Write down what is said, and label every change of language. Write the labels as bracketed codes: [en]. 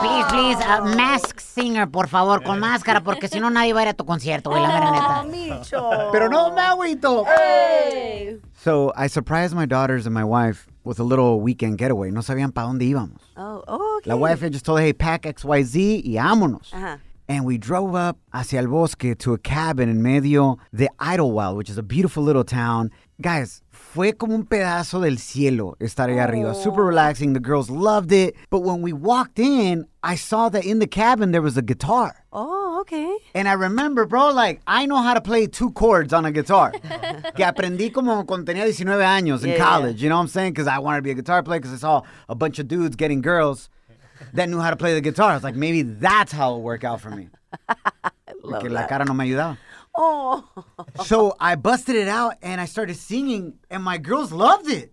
[en] Please, a mask singer, [es] por favor, con máscara, porque si no nadie va a ir a tu concierto, güey, la verdad. Pero no me agüito. Hey. [en] So I surprised my daughters and my wife with a little weekend getaway. [es] No sabían para dónde íbamos. [en] Oh, okay. La wife had just told her, hey, pack XYZ [es] y vámonos. [en] Uh-huh. And we drove up [es] hacia el bosque [en] to a cabin in [es] medio de [en] Idlewild, which is a beautiful little town. [es] Guys, fue como un pedazo del cielo estar allá arriba. [en] Super relaxing. The girls loved it. But when we walked in, I saw that in the cabin there was a guitar. Oh, okay. And I remember, bro, like, I know how to play two chords on a guitar. [es] Que aprendí como cuando tenía 19 años [en] in college. Yeah. You know what I'm saying? Because I wanted to be a guitar player because I saw a bunch of dudes getting girls that knew how to play the guitar. I was like, maybe that's how it'll work out for me. I love [es] Porque [en] that. [es] La cara no me ayudaba. Oh. [en] So I busted it out and I started singing and my girls loved it.